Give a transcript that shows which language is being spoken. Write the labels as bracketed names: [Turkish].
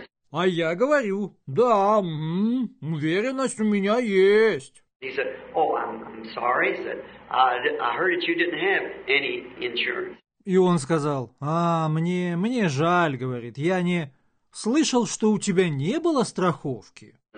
[Russian] А я говорю: «Да, уверенность у меня есть». [English] He said, oh, I'm sorry. He said, I heard that you didn't have any insurance. [Russian] И он сказал: «А, мне жаль, — говорит, — я не слышал, что у тебя не было страховки».